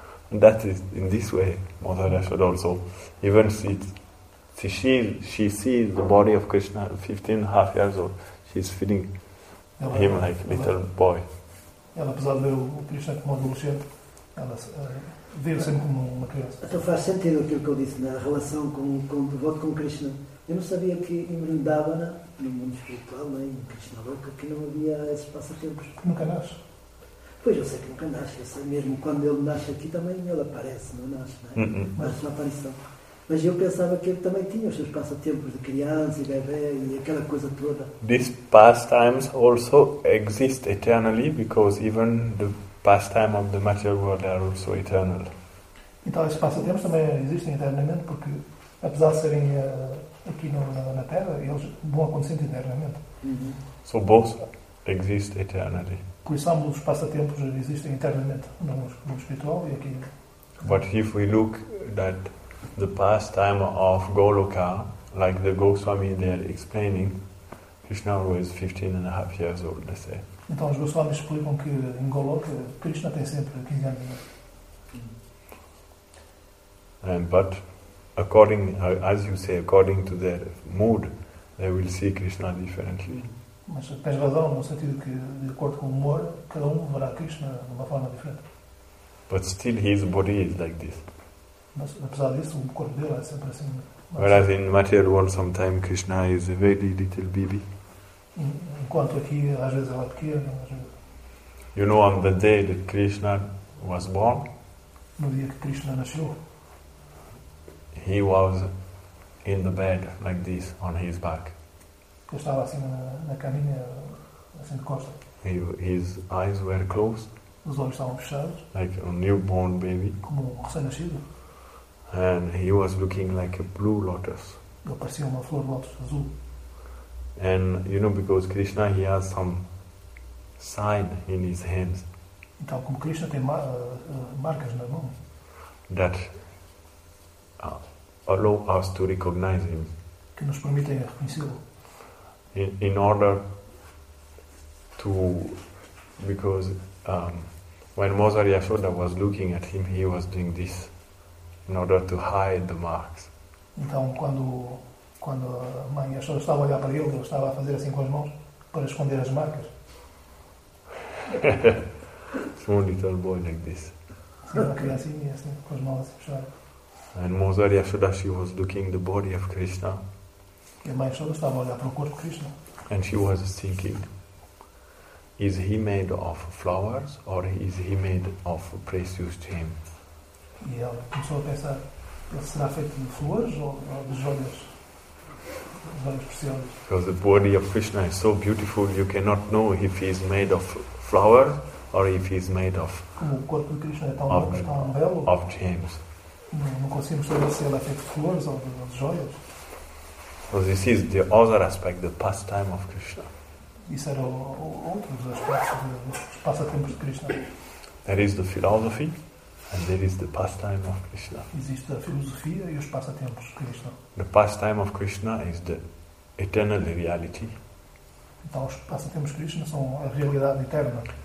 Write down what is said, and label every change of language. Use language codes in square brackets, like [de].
[en] And that is in this way, Mother Yashoda also, even she sees the body of Krishna, 15 and a half years old, she is feeling him like a little boy. [pt] Ela, apesar de ver o Krishna como adolescente, ela vê-o sempre como uma criança. Então faz sentido aquilo que eu disse, na relação com o devoto com Krishna. Eu não sabia que em Vrindavana, no mundo espiritual, em Krishna Loka, que não havia esses passatempos. Nunca nasce. Pois eu sei que nunca nasce, eu sei mesmo, quando ele nasce aqui também ele aparece, não nasce, não é? Mas sua aparição. Mas eu pensava que ele também tinha os seus passatempos de criança e bebê e aquela coisa toda. [en] These pastimes also exist eternally, because even the pastime of the material world are also eternal. [pt] Então esses passatempos também existem eternamente, porque apesar de serem aqui na Terra, eles vão acontecendo eternamente. [en] So both exist eternally. [pt] Por isso ambos os passatempos existem eternamente, no mundo espiritual e aqui. [en] But if we look that the pastime of Goloka, like the Goswami there explaining, Krishna was 15 and a half years old, they say. [pt] Então os Goswami explicam que em Goloka Krishna tem sempre 15 anos. [en] But according, as you say, according to their mood, they will see Krishna differently. [pt] Mas tens razão no sentido que, de acordo com o humor, cada um verá Krishna de uma forma diferente. [en] But still his body is like this. [pt] Mas apesar disso, o corpo dele é sempre assim. [en] Whereas in material world, sometimes Krishna is a very little baby. [pt] Enquanto aqui, às vezes ela é pequena. [en] You know, on the day that Krishna was born, [pt] no dia que Krishna nasceu, [en] he was in the bed like this on his back. [pt] Ele estava assim na caminha, assim de costa. [en] His eyes were closed. [pt] Os olhos estavam fechados. [en] Like a newborn baby. [pt] Como um recém-nascido. [en] And he was looking like a blue lotus. [pt] Ele parecia uma flor de lótus azul. [en] And you know, because Krishna, he has some sign in his hands. [pt] Então, como Krishna tem marcas na mão. [en] That allow us to recognize him. [pt] Que nos permitem reconhecê-lo. [en] In order to, because when Mother Yashoda was looking at him, he was doing this in order to hide the marks. [pt] Então, quando a mãe Yashoda estava a olhar para ele, estava a fazer assim com as mãos para esconder as marcas. [en] Small little boy like this. [pt] Sim, aquele assim, com as mãos assim fechadas. [en] And Mother Yashoda, she was looking the body of Krishna. [pt] E a mãe Yashoda estava a olhar para o corpo de Krishna. [en] And she was thinking, is he made of flowers or is he made of precious gem? [pt] E ela começou a pensar, ele será feito de flores ou de joias? Joias preciosas. [en] Because the body of Krishna is so beautiful, you cannot know if he is made of flower or if he is made of. [pt] Como o corpo de Krishna é tão bom, tão belo. [en] Of gems. [pt] Não conseguimos saber se ele é feito de flores ou de joias. [en] So this is the other aspect, the pastime of Krishna. [pt] Isso era outro dos aspectos, dos passatempos de Krishna. [en] There is the philosophy and there is the pastime of Krishna. [pt] Existe a filosofia e os passatempos de Krishna. [en] The pastime of Krishna is the eternal reality. [pt] Então os passatempos de Krishna são a realidade eterna.